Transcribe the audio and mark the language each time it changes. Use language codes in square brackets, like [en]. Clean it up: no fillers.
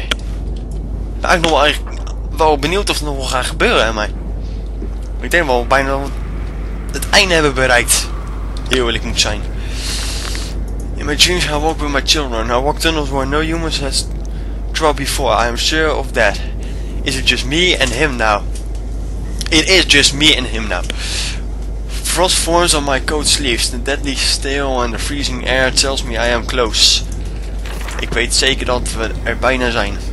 [nl] Ik ben eigenlijk nog wel benieuwd of het nog wel gaat gebeuren, hè, maar ik denk wel bijna het einde hebben bereikt. Heel eerlijk moet zijn. [en] In my dreams I walk with my children. I walk tunnels where no humans has trod before. I am sure of that. Is it just me and him now? It is just me and him now. Frost forms on my coat sleeves, the deadly steel and the freezing air tells me I am close. [nl] Ik weet zeker dat we er bijna zijn.